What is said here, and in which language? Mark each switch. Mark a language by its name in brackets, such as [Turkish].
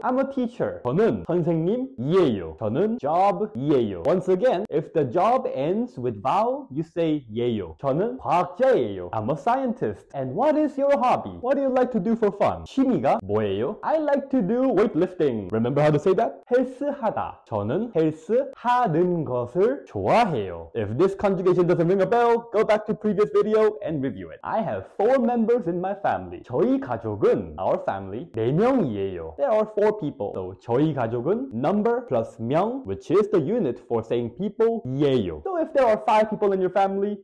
[English] I'm a teacher. [Korean] 저는 선생님이에요. 저는 [English] job이에요. Once again, if the job ends with vowel, you say [Korean] 예요. 저는 과학자예요. [English] I'm a scientist. And what is your hobby? What do you like to do for fun? [Korean] 뭐예요? [English] I like to do weightlifting. Remember how to say that? [Korean] 헬스하다. 저는 헬스하는 것을 좋아해요. [English] If this conjugation doesn't ring a bell, go back to previous video and review it. I have 4 members in my family. [Korean] 저희 가족은 [English] our family [Korean] 4명이에요. [English] There are 4 people. [Korean] So 저희 가족은 [English] number plus 명, which is the unit for saying people [Korean] 이에요. [English] So if there are 5 people in your family,